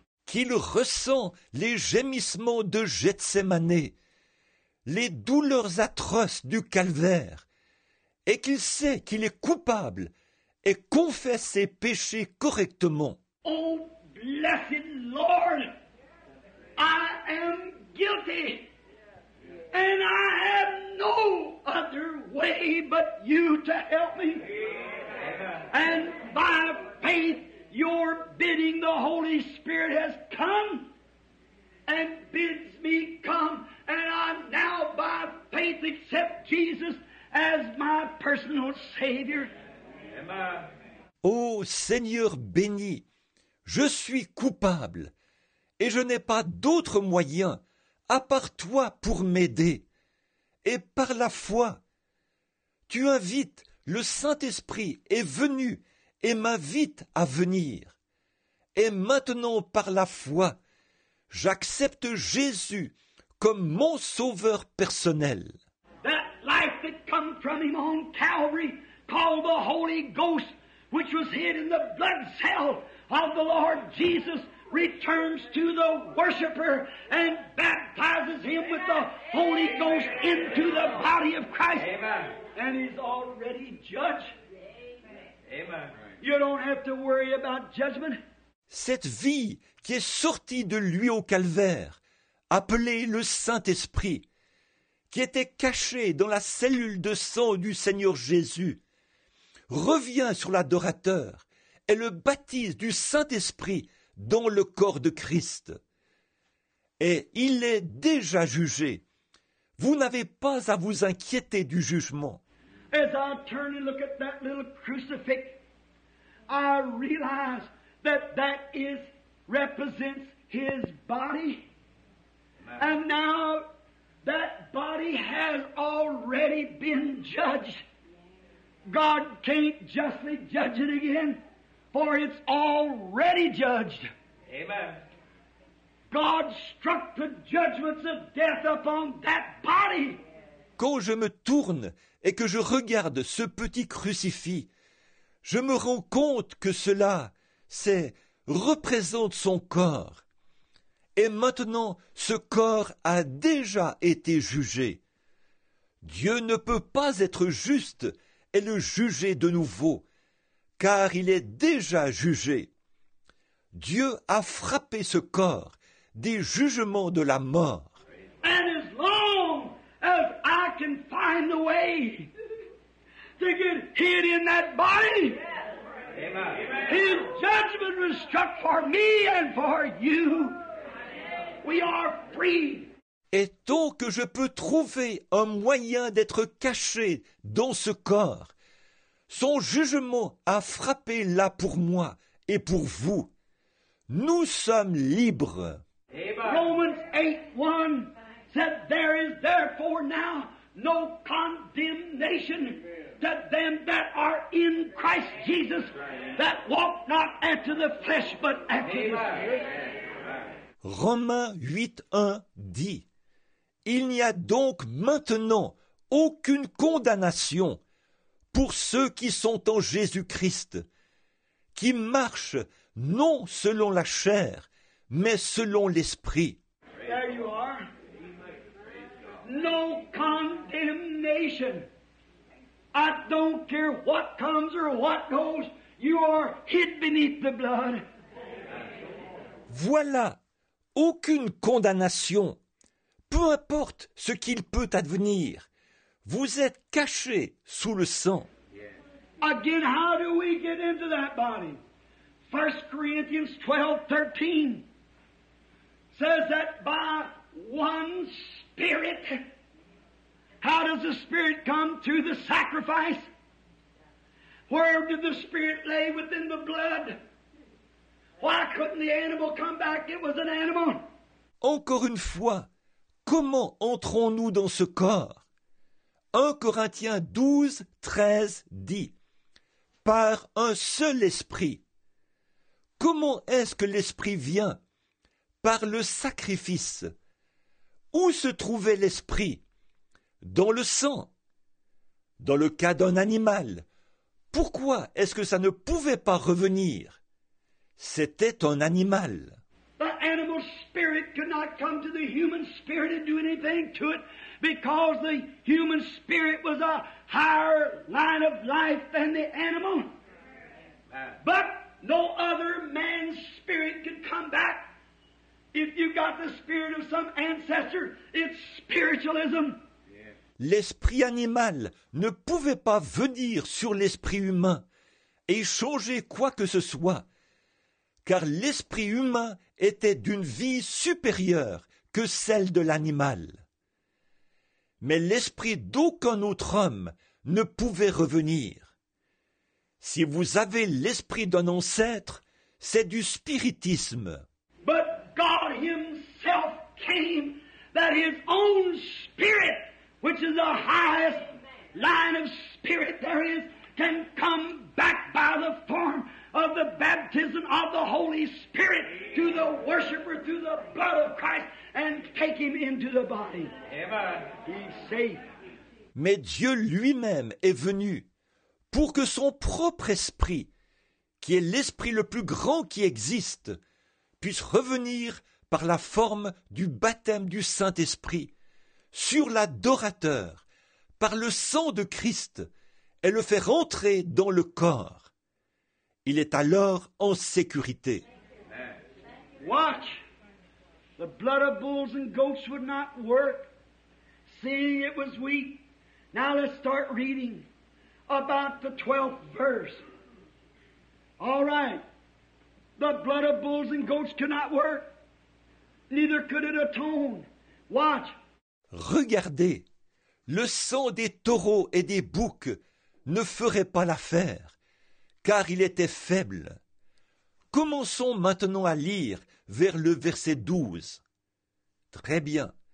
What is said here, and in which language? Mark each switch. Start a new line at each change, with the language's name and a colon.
French: Qu'il ressent les gémissements de Gethsemane, les douleurs atroces du calvaire, et qu'il sait qu'il est coupable et confesse ses péchés correctement.
English: Oh, blessed Lord, I am guilty, and I have no other way but you to help me. And by faith, your bidding, the Holy Spirit has come and bids me come, and I now by faith accept Jesus as my personal Savior. Amen.
French: Oh, Seigneur béni, je suis coupable et je n'ai pas d'autre moyen à part toi pour m'aider. Et par la foi, tu invites, le Saint-Esprit est venu et m'invite à venir. Et maintenant, par la foi, j'accepte Jésus comme mon sauveur personnel.
English: That life that come from him on Calvary, called the Holy Ghost, which was hid in the blood cell of the Lord Jesus, returns to the worshipper and baptizes him Amen. With the Holy Ghost into the body of Christ. Amen. And he's already judged. Amen. Amen. You don't have to worry about judgment.
French: Cette vie qui est sortie de lui au calvaire, appelée le Saint-Esprit, qui était cachée dans la cellule de sang du Seigneur Jésus, revient sur l'adorateur et le baptise du Saint-Esprit dans le corps de Christ. Et il est déjà jugé. Vous n'avez pas à vous inquiéter du jugement.
English: As I turn and look at that little crucifix, I realize that that is represents his body. And now that body has already been judged. God can't justly judge it again, for it's already judged. Amen. God struck the judgments of death upon that body.
French: Quand je me tourne et que je regarde ce petit crucifix, je me rends compte que cela, c'est, représente son corps. Et maintenant, ce corps a déjà été jugé. Dieu ne peut pas être juste et le juger de nouveau, car il est déjà jugé. Dieu a frappé ce corps des jugements de la mort.
English: And as long as I can find a way to get hid in that body, his judgment was struck for me and for you. We are free.
French: Et tant que je peux trouver un moyen d'être caché dans ce corps, son jugement a frappé là pour moi et pour vous. Nous sommes libres.
English: Romans 8:1 said, there is therefore now no condemnation to them that are in Christ Jesus, that walk not after the flesh but after the spirit.
French: Romains 8:1 dit, il n'y a donc maintenant aucune condamnation pour ceux qui sont en Jésus-Christ, qui marchent non selon la chair, mais selon l'Esprit.
English: There you are. No condemnation. I don't care what comes or what goes. You are hid beneath the blood.
French: Voilà. Aucune condamnation. Peu importe ce qu'il peut advenir. Vous êtes caché sous le sang.
English: Again, how do we get into that body? 1 Corinthians 12:13 says that by one spirit. How does the spirit come? Through the sacrifice. Where did the spirit lay? Within the blood. Why couldn't the animal come back? It was an animal.
French: Encore une fois, comment entrons-nous dans ce corps? 1 Corinthiens 12:13 dit, par un seul esprit. Comment est-ce que l'esprit vient? Par le sacrifice. Où se trouvait l'esprit? Dans le sang. Dans le cas d'un animal, pourquoi est-ce que ça ne pouvait pas revenir? C'était un animal.
English: The animal spirit could not come to the human spirit and do anything to it because the human spirit was a higher line of life than the animal. But no other man's spirit could come back. If you got the spirit of some ancestor, it's spiritualism.
French: L'esprit animal ne pouvait pas venir sur l'esprit humain et changer quoi que ce soit, car l'esprit humain était d'une vie supérieure que celle de l'animal. Mais l'esprit d'aucun autre homme ne pouvait revenir. Si vous avez l'esprit d'un ancêtre, c'est du spiritisme.
English: But God himself came, that his own spirit, which is the highest line of spirit there is, can come back by the form of the baptism of the Holy Spirit to the worshiper through the blood of Christ and take him into the body. Amen. He's safe.
French: Mais Dieu lui-même est venu pour que son propre esprit, qui est l'esprit le plus grand qui existe, puisse revenir par la forme du baptême du Saint-Esprit sur l'adorateur, par le sang de Christ, et le faire entrer dans le corps. Il est alors en sécurité.
English: Watch. The blood of bulls and goats would not work, seeing it was weak. Now let's start reading about the 12th verse. All right. The blood of bulls and goats cannot work. Neither could it atone. Watch.
French: Regardez. Le sang des taureaux et des boucs ne ferait pas l'affaire, car il était faible. Commençons maintenant à lire vers le verset 12. Très bien.